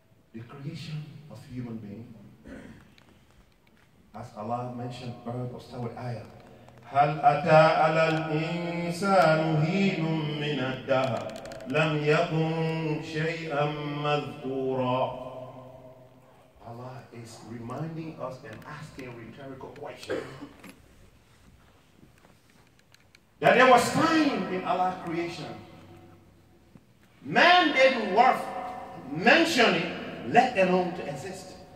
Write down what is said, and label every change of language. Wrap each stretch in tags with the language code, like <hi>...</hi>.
<en>The creation of human being, as Allah mentioned earlier, was our ayah.</en> <ar>هل أتى على الإنسان حين من الدهر لم يكن شيئا مذكورا.</ar> <en>Allah is reminding us and asking a rhetorical question. That there was time in Allah's creation. Man didn't worth mentioning, let alone to exist.</en>